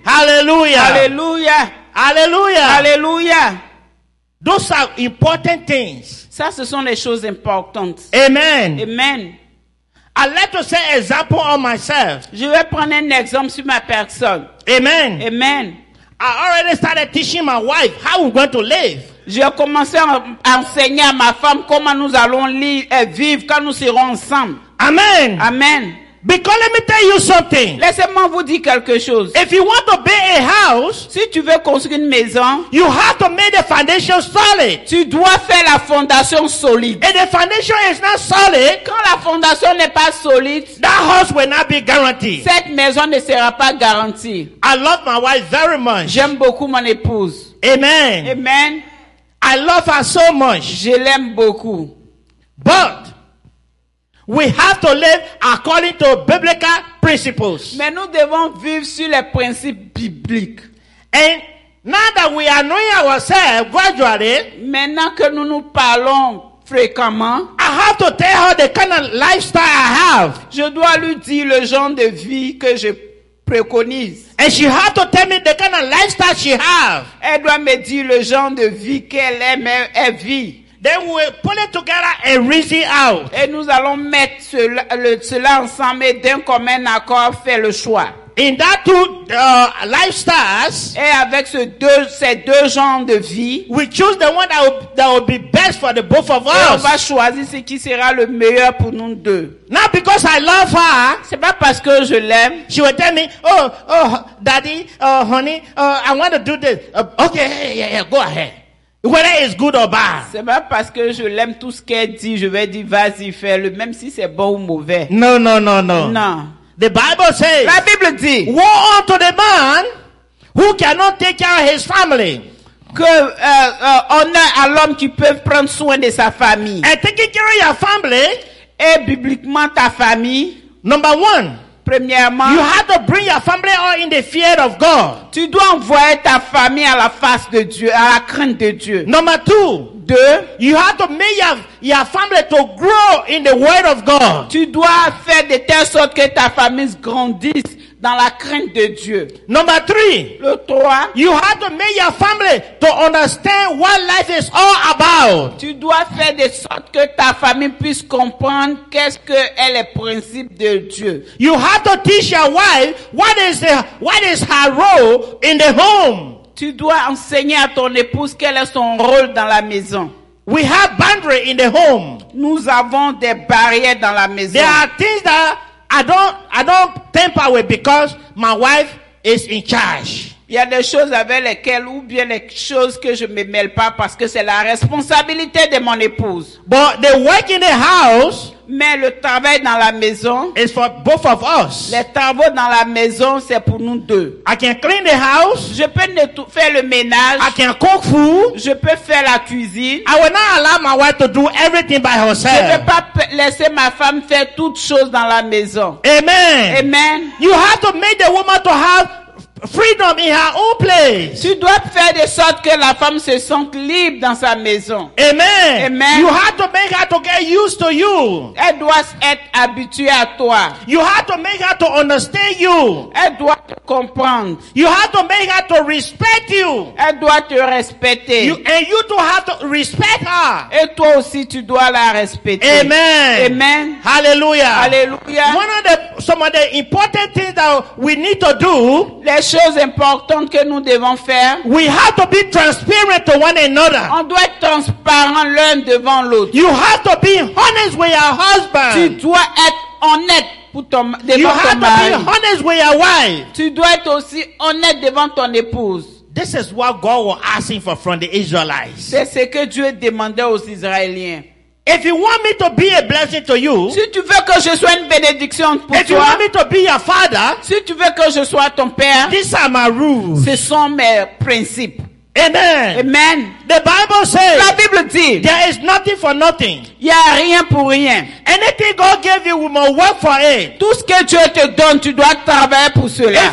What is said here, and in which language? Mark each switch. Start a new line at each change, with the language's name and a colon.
English: Hallelujah.
French: Hallelujah.
English: Hallelujah.
French: Hallelujah.
English: Those are important things.
French: Ça, ce sont les choses importantes.
English: Amen.
French: Amen.
English: I'd like to say example on myself.
French: Je vais prendre un exemple sur ma personne.
English: Amen.
French: Amen.
English: I already started teaching my wife how we're going to live.
French: J'ai commencé à enseigner à ma femme comment nous allons vivre quand nous serons ensemble.
English: Amen.
French: Amen.
English: Because let me tell you something.
French: Laissez-moi vous dire quelque chose.
English: If you want to build a house,
French: si tu veux construire une maison,
English: you have to make the foundation solid.
French: Tu dois faire la fondation solide.
English: And the foundation is not solid,
French: quand la fondation n'est pas solide,
English: that house will not be guaranteed.
French: Cette maison ne sera pas garantie.
English: I love my wife very much.
French: J'aime beaucoup mon épouse.
English: Amen.
French: Amen.
English: I love her so much.
French: Je l'aime beaucoup.
English: But we have to live according to biblical principles.
French: Mais nous devons vivre sur les principes bibliques.
English: And now that we are knowing ourselves gradually,
French: maintenant que nous nous parlons fréquemment,
English: I have to tell her the kind of lifestyle I have.
French: Je dois lui dire le genre de vie que je préconise.
English: And she has to tell me the kind of lifestyle she has.
French: Elle doit me dire le genre de vie qu'elle aime, elle vit.
English: Then we pull it together and reason out.
French: Et nous allons mettre cela ensemble et d'un commun accord faire le choix.
English: In that two lifestyles,
French: et avec ces deux genres de vie,
English: we choose the one that will be best for the both of us.
French: Et on va choisir ce qui sera le meilleur pour nous deux.
English: Not because I love her.
French: C'est pas parce que je l'aime.
English: She will tell me, oh, daddy, honey, I want to do this. Okay, yeah, go ahead. Whether it's good or bad.
French: C'est pas parce que je l'aime tout ce qu'elle dit, je vais dire vas-y, fais-le, même si c'est bon ou mauvais.
English: No. The Bible says,
French: la Bible dit,
English: woe unto the man who cannot take care of his family.
French: Que honneur à l'homme qui peut prendre soin de sa famille.
English: And taking care of your family,
French: et bibliquement ta famille.
English: Number one,
French: premièrement,
English: you have to bring your family all in the fear of God.
French: Tu dois envoyer ta famille à la face de Dieu, à la crainte de Dieu.
English: Number two,
French: deux,
English: you have to make your family to grow in the word of God.
French: Tu dois faire de telle sorte que ta famille grandisse dans la crainte de Dieu.
English: Number three,
French: le trois,
English: you have to make your family to understand what life is all about.
French: Tu dois faire de sorte que ta famille puisse comprendre qu'est-ce que est le principe de Dieu.
English: You have to teach your wife what is her role in the home.
French: Tu dois enseigner à ton épouse quel est son rôle dans la maison.
English: We have boundaries in the home.
French: Nous avons des barrières dans la maison.
English: There are things that I don't temper with because my wife is in charge.
French: Il y a des choses avec lesquelles ou bien les choses que je me mêle pas parce que c'est la responsabilité de mon épouse.
English: But the work in the house,
French: mais le travail dans la maison,
English: is for both of us.
French: Les travaux dans la maison, c'est pour nous deux.
English: I can clean the house.
French: Je peux faire le ménage.
English: I can cook food.
French: Je peux faire la cuisine.
English: I will not allow my wife to do everything by herself.
French: Je ne vais pas laisser ma femme faire toutes choses dans la maison.
English: Amen.
French: Amen.
English: You have to make the woman to have freedom in her own place.
French: Tu dois faire de sorte que la femme se sente libre dans sa maison.
English: Amen.
French: Amen.
English: You have to make her to get used to you.
French: Elle doit être habituée à toi.
English: You have to make her to understand you.
French: Elle doit te comprendre.
English: You have to make her to respect you.
French: Elle doit te respecter.
English: You too have to respect her.
French: Et toi aussi tu dois la respecter.
English: Amen.
French: Amen.
English: Hallelujah.
French: Hallelujah.
English: Some of the important things that we need to do.
French: Les choses importantes que nous devons faire.
English: We have to be transparent to one another.
French: On doit être transparent l'un devant l'autre.
English: You have to be honest with your husband.
French: Tu dois être honnête pour ton devant ton mari.
English: You have to be honest with your wife.
French: Tu dois être aussi honnête devant ton épouse.
English: This is what God was asking for from the Israelites.
French: C'est ce que Dieu demandait aux Israéliens.
English: If you want me to be a blessing to you,
French: si tu veux que je sois une bénédiction pour
English: if
French: toi,
English: you want me to be your father,
French: si tu veux que je sois ton père,
English: these are my rules.
French: Ce sont mes principes.
English: Amen.
French: Amen.
English: The Bible says,
French: la Bible dit,
English: there is nothing for nothing.
French: Y a rien pour rien.
English: Anything God gave you, we must work for it.
French: Tout ce que Dieu te donne, tu dois travailler pour cela.